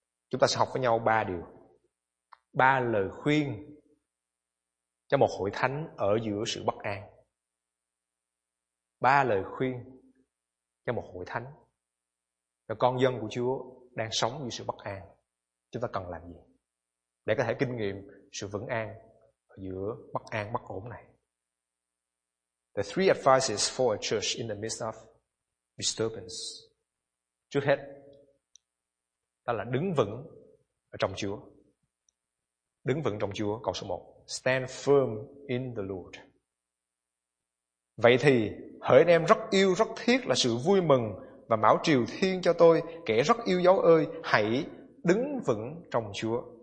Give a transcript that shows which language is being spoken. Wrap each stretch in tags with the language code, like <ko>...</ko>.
<vi>Chúng ta sẽ học với nhau ba điều, ba lời khuyên cho một hội thánh ở giữa sự bất an. Ba lời khuyên cho một hội thánh, cho con dân của Chúa đang sống giữa sự bất an, chúng ta cần làm gì để có thể kinh nghiệm sự vững an ở giữa bất an bất ổn này.</vi> <en>The three advices for a church in the midst of disturbance.</en> <vi>Trước hết, đó là đứng vững ở trong Chúa. Đứng vững trong Chúa, câu số 1.</vi> <en>Stand firm in the Lord.</en> <vi>Vậy thì, hỡi anh em rất yêu, rất thiết là sự vui mừng và mão triều thiên cho tôi, kẻ rất yêu dấu ơi, hãy đứng vững trong Chúa.</vi>